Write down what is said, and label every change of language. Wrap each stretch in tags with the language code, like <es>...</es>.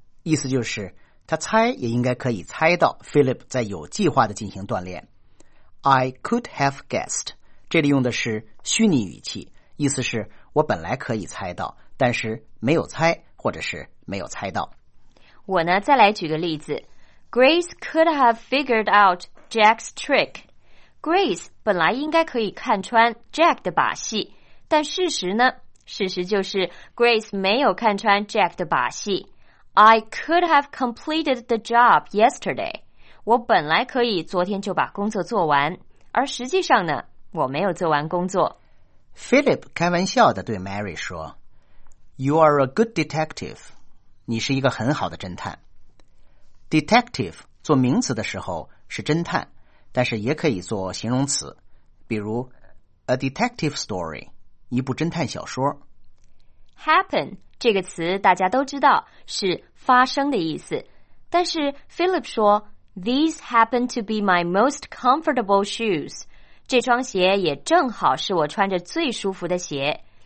<zh>意思就是他猜也应该可以猜到 Philip 在有计划地进行锻炼。</zh> <en>I could have guessed.</en> <zh>这里用的是虚拟语气，意思是我本来可以猜到，但是没有猜，或者是没有猜到。我呢，再来举个例子。</zh> <en>Grace could have figured out Jack's trick.</en> <zh>Grace 本来应该可以看穿 Jack 的把戏，但事实呢？事实就是 Grace 没有看穿 Jack 的把戏。</zh> <en>I could have completed the job yesterday.</en> <zh>我本来可以昨天就把工作做完，而实际上呢，我没有做完工作。</zh> <en>Philip</en> <zh>开玩笑地对</zh> <en>Mary</en> <zh>说</zh> <en>You are a good detective.</en> <zh>你是一个很好的侦探。 Detective 做名词的时候是侦探，但是也可以做形容词，比如</zh> <en>A detective story，</en> <zh>一部侦探小说。 Happen这个词大家都知道是发生的意思，但是 Philip 说</zh> <en>These happen to be my most comfortable shoes，</en> <zh>这双鞋也正好是我穿着最舒服的鞋。</zh>